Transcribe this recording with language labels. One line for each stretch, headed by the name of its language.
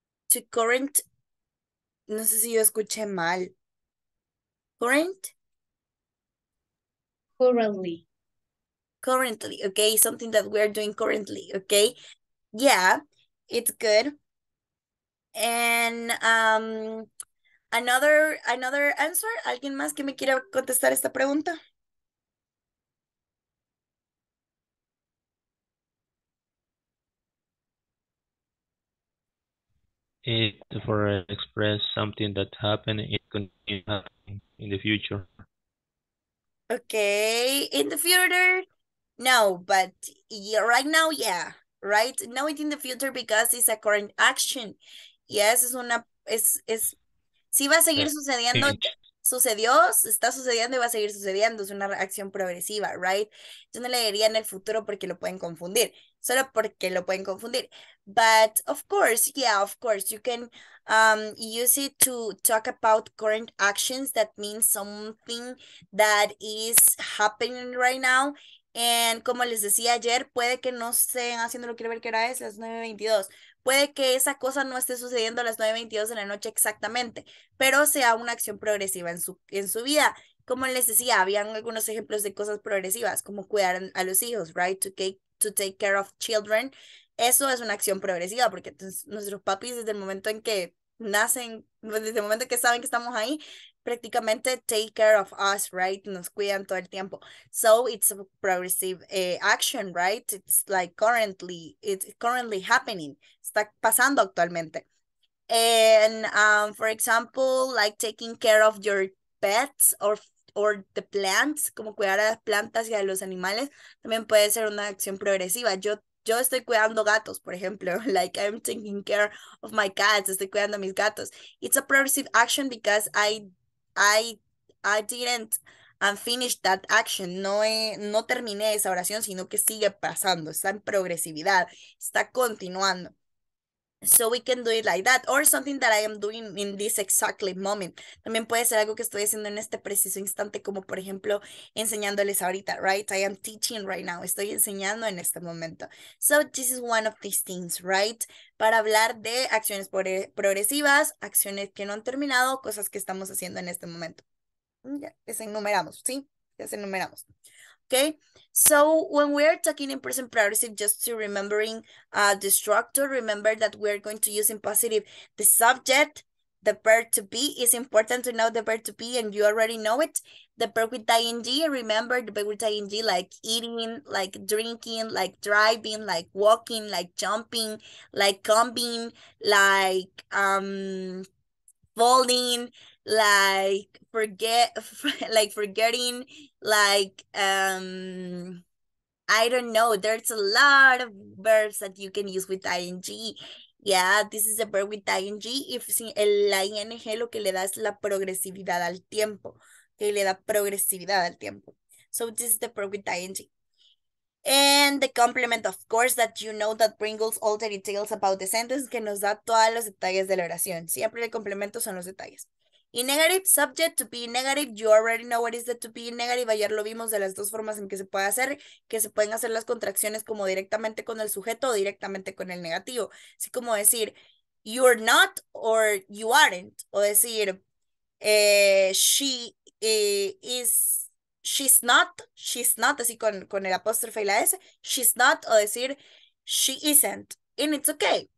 English: To current,
Spanish: no sé si yo escuché mal.
English: Current? Currently. Currently, okay, something that we're doing currently, okay? Yeah, it's good. And another answer,
Spanish: ¿alguien más que me quiera contestar esta pregunta?
English: It for express something that happened, it continues happening in the future. Okay, in the future? No, but yeah, right now, yeah, right? No, it's in the future because it's a current action.
Spanish: Yes, es una, es, si va a seguir sucediendo, sucedió, está sucediendo y va a seguir sucediendo, es una acción progresiva, right? Yo no le diría en el futuro porque lo pueden confundir, solo porque lo pueden confundir.
English: But of course, yeah, of course, you can use it to talk about current actions. That means something that is happening right now.
Spanish: And como les decía ayer, puede que no estén haciendo lo que ver que era es las 9:22. Puede que esa cosa no esté sucediendo a las 9:22 de la noche exactamente, pero sea una acción progresiva en su vida. Como les decía, habían algunos ejemplos de cosas progresivas, como cuidar a los hijos, right?
English: To take care of children.
Spanish: Eso es una acción progresiva, porque entonces nuestros papis desde el momento en que nacen, desde el momento que saben que estamos ahí, prácticamente
English: take care of us, right?
Spanish: Nos cuidan todo el tiempo.
English: So it's a progressive action, right? It's like currently, it's currently happening.
Spanish: Está pasando actualmente.
English: And for example, like taking care of your pets or the plants,
Spanish: como cuidar a las plantas y a los animales, también puede ser una acción progresiva. Yo estoy cuidando gatos, por ejemplo.
English: Like, I'm taking care of my cats.
Spanish: Estoy cuidando a mis gatos.
English: It's a progressive action because I didn't finish that action.
Spanish: No terminé esa oración, sino que sigue pasando. Está en progresividad. Está continuando.
English: So we can do it like that. Or something that I am doing in this exactly moment.
Spanish: También puede ser algo que estoy haciendo en este preciso instante, como por ejemplo, enseñándoles ahorita, right?
English: I am teaching right now.
Spanish: Estoy enseñando en este momento.
English: So this is one of these things, right?
Spanish: Para hablar de acciones progresivas, acciones que no han terminado, cosas que estamos haciendo en este momento. Ya desenumeramos, ¿sí? Ya desenumeramos.
English: Okay, so when we're talking in present progressive, just to remembering the structure, remember that we're going to use in positive the subject, the verb to be. It's important to know the verb to be, and you already know it. The verb with ing, remember the verb with ing, like eating, like drinking, like driving, like walking, like jumping, like coming, like falling, like forget, like forgetting, like I don't know, there's a lot of verbs that you can use with ing. Yeah, this is a verb with ing.
Spanish: If el ing lo que le da es la progresividad al tiempo, que le da progresividad al tiempo.
English: So this is the verb with ing. And the complement, of course, that you know that brings all the details about the sentence,
Spanish: que nos da todos los detalles de la oración. Siempre el complemento son los detalles.
English: Y negative subject, to be negative, you already know what is the to be negative.
Spanish: Ayer lo vimos de las dos formas en que se puede hacer, que se pueden hacer las contracciones como directamente con el sujeto o directamente con el negativo. Así como decir,
English: you're not or you aren't.
Spanish: O decir, she's not, así con el apóstrofe y la S, she's not, o decir,
English: she isn't, and it's okay.